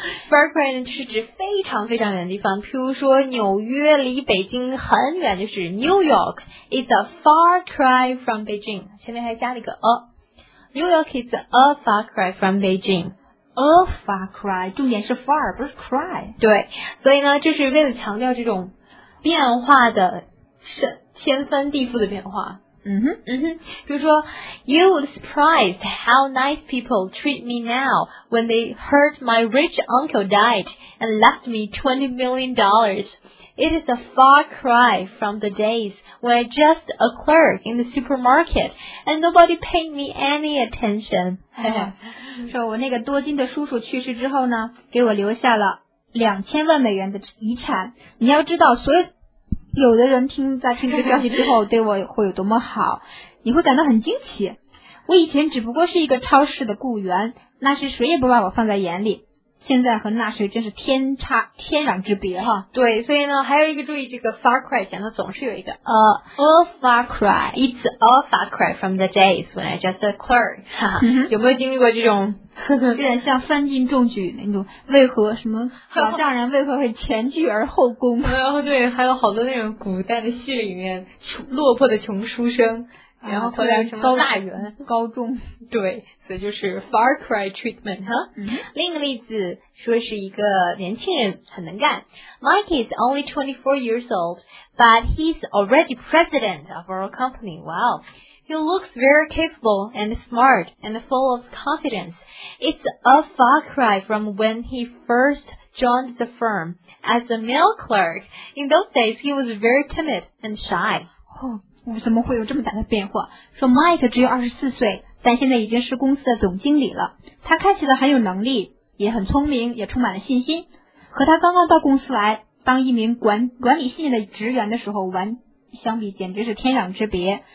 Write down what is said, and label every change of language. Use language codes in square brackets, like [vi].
[zh] Far cry 呢就是指非常非常远的地方，譬如说纽约离北京很远，就是 [en] New York is a far cry from Beijing. [zh] 前面还加了一个 a. [en] New York is a far cry from Beijing. [zh] A far cry, 重点是 far, 不是 cry. 对，所以呢这是为了强调这种变化的天翻地覆的变化。比如说 [en] You would surprise how nice people treat me now when they heard my rich uncle died and left me $20 million. It is a far cry from the days when I was just a clerk in the supermarket and nobody paid me any attention. [zh] 说我那个多金的叔叔去世之后呢，给我留下了$20,000,000的遗产。你要知道，所有有的人在听这个消息之后对我会有多么好，你会感到很惊奇。我以前只不过是一个超市的雇员，那时谁也不把我放在眼里，现在和那时真是天壤之别哈。对，所以呢还有一个注意，这个 far cry 前头总是有一个 a far cry, [en] it's a far cry from the days when I just a clerk, [zh] 哈哈有没有经历过这种有点像翻进中举那种，为何什么老丈人为何会前拒而后宫。对，还有好多那种古代的戏里面落魄的穷书生，然后回来什么大员高中。对，所以就是 far cry treatment, 哈。另一个例子说是一个年轻人很能干。 [en] Mike is only 24 years old, but he's already president of our company. Wow. He looks very capable and smart and full of confidence. It's a far cry from when he first joined the firm as a mail clerk. In those days, he was very timid and shy. [zh] 怎么会有这么大的变化？说 Mike 只有24岁，但现在已经是公司的总经理了。他看起来很有能力，也很聪明，也充满了信心。和他刚刚到公司来，当一名管理系列的职员的时候相比简直是天壤之别。